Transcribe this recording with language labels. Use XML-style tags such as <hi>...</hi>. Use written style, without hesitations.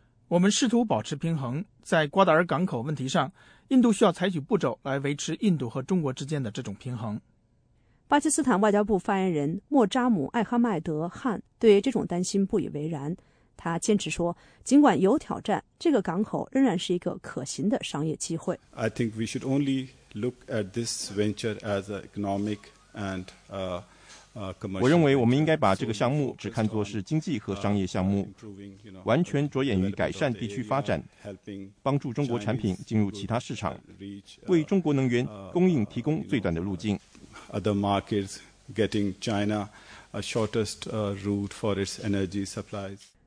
<zh>我们试图保持平衡，在瓜达尔港口问题上，印度需要采取步骤来维持印度和中国之间的这种平衡。巴基斯坦外交部发言人莫扎姆·艾哈迈德·汉对这种担心不以为然，他坚持说，尽管有挑战，这个港口仍然是一个可行的商业机会。</zh> <en>I think we should only look at this venture as an economic and commercial.</en> <zh>我认为我们应该把这个项目只看作是经济和商业项目，完全着眼于改善地区发展，帮助中国产品进入其他市场，为中国能源供应提供最短的路径。</zh> <en>Other markets getting China a shortest route for its energy supplies.</en>